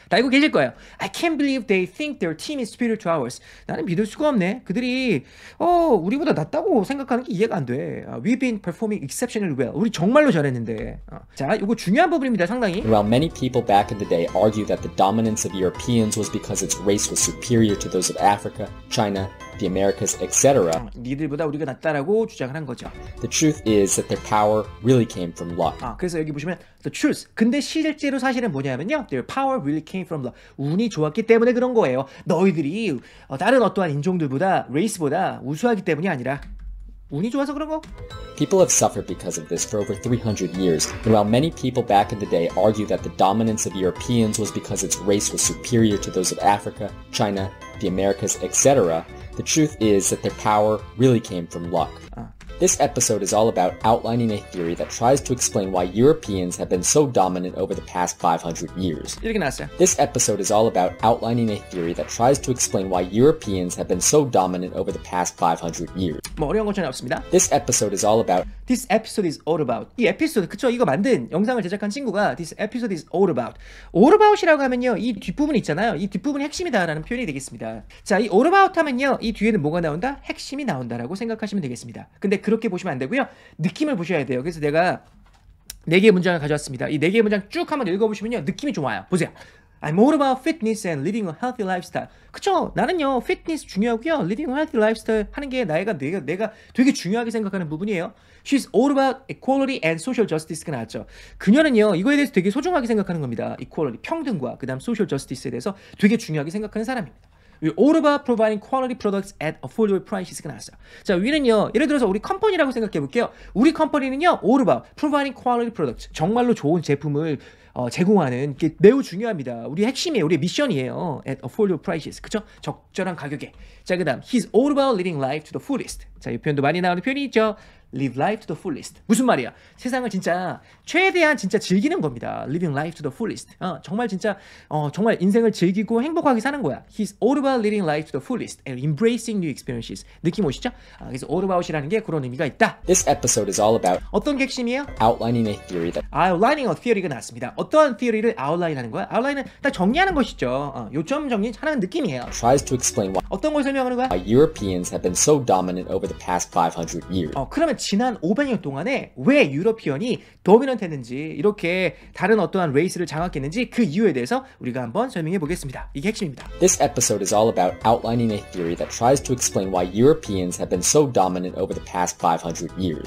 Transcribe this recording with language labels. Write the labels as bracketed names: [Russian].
[Korean] 다 알고 계실 거예요. [English] I can't believe they think their team is superior to ours. [Korean] 나는 믿을 수가 없네. 그들이 우리보다 낫다고 생각하는 게 이해가 안 돼. [English] We've been performing exceptionally well. [Korean] 우리 정말로 잘했는데. 자, 이거 중요한 부분입니다. 상당히. [English] While many people back in the day argue that the dominance of Europeans was because its race was superior to those of Africa, China, the Americas, etc. [Korean] 니들보다 우리가 낫다라고 주장을 한 거죠. [English] The truth is that their power really came from luck. [Korean] 그래서 여기 보시면 [English] the truth. [Korean] 근데 실제로 사실은 뭐냐면요. [English] Their power really came from luck. [Korean] 운이 좋았기 때문에 그런 거예요. 너희들이 다른 어떠한 인종들보다, 레이스보다 우수하기 때문이 아니라 운이 좋아서 그런 거. [English] People have suffered because of this for over 300 years. And while many people back in the day argue that the dominance of Europeans was because its race was superior to those of Africa, China, the Americas, etc. The truth is that their power really came from luck. This episode is all about outlining a theory that tries to explain why Europeans have been so dominant over the past 500 years. [Korean] 이렇게 나왔어요. [English] This episode is all about outlining a theory that tries to explain why Europeans have been so dominant over the past 500 years. [Korean] 뭐 어려운 것 전혀 없습니다. [English] This episode is all about. This episode is all about. [Korean] 이 에피소드, 그쵸? 이거 만든 영상을 제작한 친구가 [English] This episode is all about. [Korean] All about이라고 하면요. 이 뒷부분 있잖아요. 이 뒷부분이 핵심이다라는 표현이 되겠습니다. 자, 이 all about 하면요. 이 뒤에는 뭐가 나온다? 핵심이 나온다라고 생각하시면 되겠습니다. 근데 그렇게 보시면 안 되고요. 느낌을 보셔야 돼요. 그래서 내가 네 개의 문장을 가져왔습니다. 이 네 개의 문장 쭉 한번 읽어보시면요. 느낌이 좋아요. 보세요. [English] I'm all about fitness and living a healthy lifestyle. [Korean] 그쵸? 나는요, fitness 중요하고요. [English] Living a healthy lifestyle [Korean] 하는 게 내가 되게 중요하게 생각하는 부분이에요. [English] She's all about equality and social justice가 나왔죠. [Korean] 그녀는요, 이거에 대해서 되게 소중하게 생각하는 겁니다. Equality, 평등과 그 다음 social justice에 대해서 되게 중요하게 생각하는 사람입니다. [English] We're all about providing quality products at affordable prices가 나왔어요. [Korean] 자, 위는요, 예를 들어서 우리 컴퍼니라고 생각해 볼게요. 우리 컴퍼니는요, [English] all about providing quality products. [Korean] 정말로 좋은 제품을 제공하는 게 매우 중요합니다. 우리 핵심이에요. 우리 미션이에요. [English] At affordable prices. [Korean] 그쵸? 적절한 가격에. 자, 그 다음, [English] he's all about living life to the fullest. [Korean] 자, 이 표현도 많이 나오는 표현이 있죠. [English] Live life to the fullest. [Korean] 무슨 말이야? 세상을 진짜 최대한 진짜 즐기는 겁니다. [English] Living life to the fullest. [Korean] 정말 진짜 정말 인생을 즐기고 행복하게 사는 거야. [English] He's all about living life to the fullest and embracing new experiences. [Korean] 느낌 오시죠? 그래서 all about이라는 게 그런 의미가 있다. [English] This episode is all about [Korean] 어떤 핵심이에요? [English] Outlining a theory that outlining a theory [Korean] 가 나왔습니다. 어떠한 theory를 outline하는 거야? Outline은 딱 정리하는 것이죠. 요점 정리 하는 느낌이에요. [English] Tries to explain why [Korean] 어떤 걸 설명하는 거야? [English] Europeans have been so dominant over the past 500 years. [Korean] 그러면 지난 500년 동안에 왜 유러피언이 도미넌트 했는지 이렇게 다른 어떠한 레이스를 장악했는지 그 이유에 대해서 우리가 한번 설명해 보겠습니다. 이게 핵심입니다. [English] This episode is all about outlining a theory that tries to explain why Europeans have been so dominant over the past 500 years.